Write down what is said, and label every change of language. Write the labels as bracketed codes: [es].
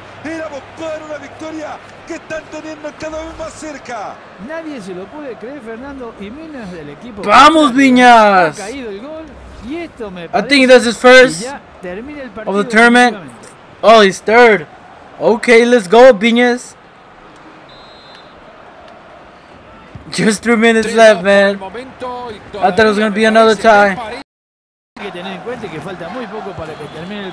[es] Ir a buscar una victoria que están teniendo cada vez más cerca. Nadie se lo puede creer, Fernando, y menos del equipo. ¡Vamos, Viñas! Ha caído el gol, y esto me parece. [en] I think that's his first of the tournament. Oh, he's third. Okay, let's go, Viñas. Just 3 minutes left, man. I thought it was going to be another tie. [es] Que tener en cuenta que falta muy poco para que termine el